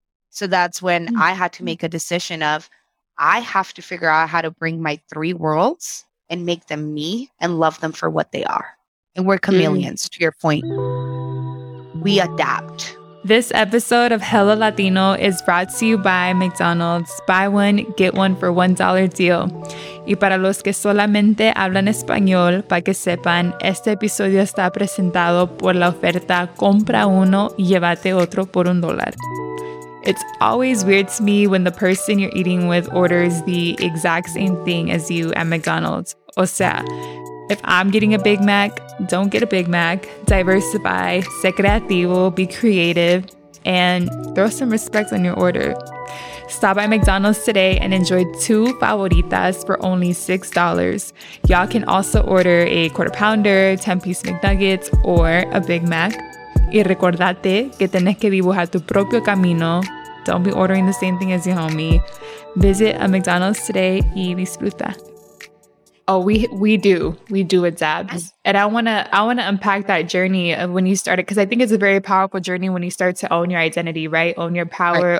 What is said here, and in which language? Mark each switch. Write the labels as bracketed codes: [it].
[en] So that's when I had to make a decision of, I have to figure out how to bring my three worlds and make them me and love them for what they are. And we're chameleons, to your point. We adapt. This episode of Hello Latino is brought to you by McDonald's. Buy one, get one for $1 deal. [es] Y para los que solamente hablan español, para que sepan, este episodio está presentado por la oferta Compra Uno, Llévate Otro por un dólar. [en] It's always weird to me when the person you're eating with orders the exact same thing as you at McDonald's. [es] O sea, [en] if I'm getting a Big Mac, don't get a Big Mac. Diversify, [es] sé creativo, [en] be creative, and throw some respect on your order. Stop by McDonald's today and enjoy two favoritas for only $6. Y'all can also order a quarter pounder, 10-piece McNuggets, or a Big Mac. [es] Y recordate que tenés que dibujar tu propio camino. [en] Don't be ordering the same thing as your homie. Visit a McDonald's today [es] y disfruta. [en] Oh, we do adapt. And I wanna unpack that journey of when you started, because I think it's a very powerful journey when you start to own your identity, right? Own your power, right?